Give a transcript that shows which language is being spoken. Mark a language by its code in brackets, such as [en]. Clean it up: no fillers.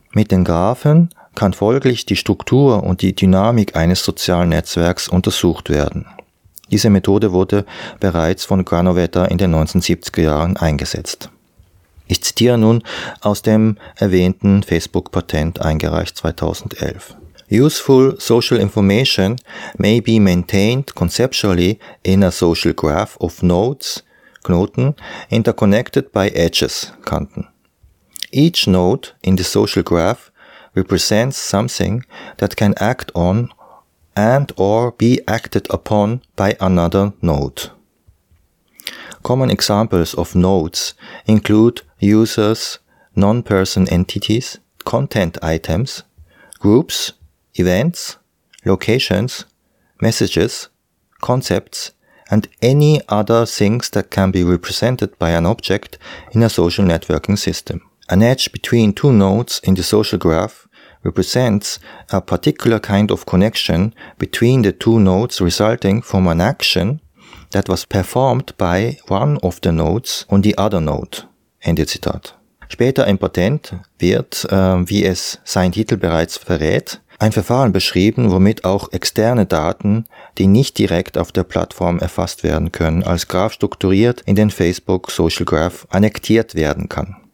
[de] Mit den Graphen kann folglich die Struktur und die Dynamik eines sozialen Netzwerks untersucht werden. Diese Methode wurde bereits von Granovetter in den 1970er Jahren eingesetzt. Ich zitiere nun aus dem erwähnten Facebook-Patent, eingereicht 2011. [en] Useful social information may be maintained conceptually in a social graph of nodes, Knoten, interconnected by edges, Kanten. Each node in the social graph represents something that can act on and or be acted upon by another node. Common examples of nodes include users, non-person entities, content items, groups, events, locations, messages, concepts, and any other things that can be represented by an object in a social networking system. An edge between two nodes in the social graph represents a particular kind of connection between the two nodes resulting from an action that was performed by one of the nodes on the other node. [de] Ende Zitat. Später im Patent wird, wie es sein Titel bereits verrät, ein Verfahren beschrieben, womit auch externe Daten, die nicht direkt auf der Plattform erfasst werden können, als Graph strukturiert in den Facebook Social Graph annektiert werden kann.